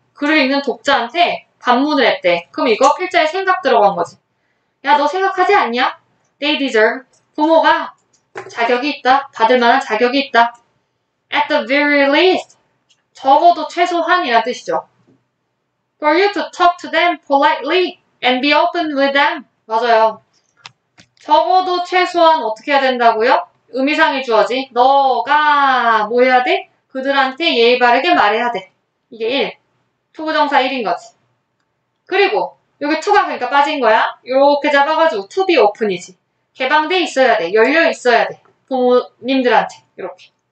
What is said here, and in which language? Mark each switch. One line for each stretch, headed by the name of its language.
Korean: 글을 읽는 독자한테 반문을 했대. 그럼 이거 필자의 생각 들어간 거지. 야, 너 생각하지 않냐?
English: They deserve.
Korean: 부모가 자격이 있다. 받을 만한 자격이 있다.
English: At the very least.
Korean: 적어도 최소한이란 뜻이죠.
English: For you to talk to them politely and be open with them.
Korean: 맞아요. 적어도 최소한 어떻게 해야 된다고요? 의미상이 주어지. 너가 뭐 해야 돼? 그들한테 예의 바르게 말해야 돼. 이게 1. 투부정사 1인 거지. 그리고 여기 2가 그러니까 빠진 거야. 이렇게 잡아가지고 to be open이지. 개방돼 있어야 돼. 열려 있어야 돼. 부모님들한테 이렇게.